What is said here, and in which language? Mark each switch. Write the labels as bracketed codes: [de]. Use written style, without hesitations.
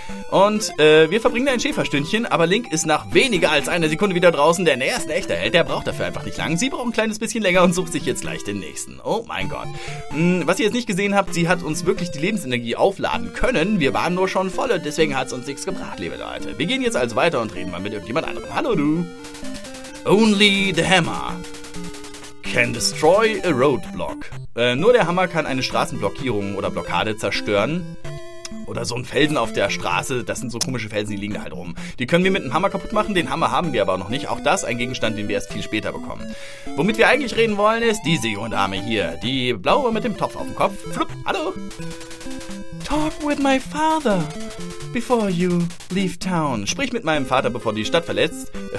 [de] Und wir verbringen ein Schäferstündchen, aber Link ist nach weniger als einer Sekunde wieder draußen, denn er ist ein echter Held, der braucht dafür einfach nicht lang. Sie braucht ein kleines bisschen länger und sucht sich jetzt gleich den nächsten. Oh mein Gott. Was ihr jetzt nicht gesehen habt, sie hat uns wirklich die Lebensenergie aufladen können. Wir waren nur schon voll und deswegen hat es uns nichts gebracht, liebe Leute. Wir gehen jetzt also weiter und reden mal mit irgendjemand anderem. Hallo, du. [en] Only the hammer can destroy a roadblock. [de] Nur der Hammer kann eine Straßenblockierung oder Blockade zerstören. Oder so ein Felsen auf der Straße, das sind so komische Felsen, die liegen da halt rum. Die können wir mit einem Hammer kaputt machen, den Hammer haben wir aber noch nicht. Auch das ein Gegenstand, den wir erst viel später bekommen. Womit wir eigentlich reden wollen, ist diese junge Dame hier. Die blaue mit dem Topf auf dem Kopf. Flupp, hallo. [en] Talk with my father before you leave town. [de] Sprich mit meinem Vater, bevor du die Stadt verlässt.